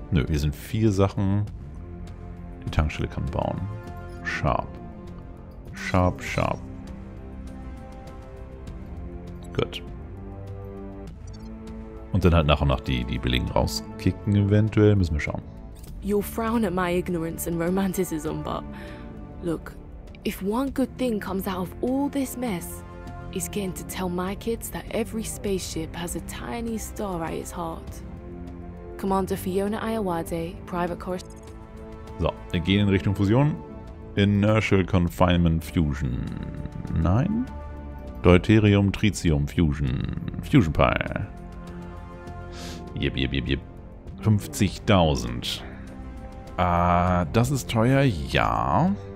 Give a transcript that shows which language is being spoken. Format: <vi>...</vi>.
<de>Nö, hier sind vier Sachen. Die Tankstelle kann bauen. Sharp. Sharp, sharp. Gut. Und dann halt nach und nach die Billigen rauskicken eventuell. Müssen wir schauen.</de> <en>You frown at my ignorance and romanticism, but look, if one good thing comes out of all this mess, it's getting to tell my kids that every spaceship has a tiny star at its heart. Commander Fiona Ayawade, Private Course.</en> <de>So, wir gehen in Richtung Fusion. Inertial Confinement Fusion. Nein? Deuterium Tritium Fusion. Fusion Pile. Yep, yep, yep, yep. 50.000. Das ist teuer, ja.</de>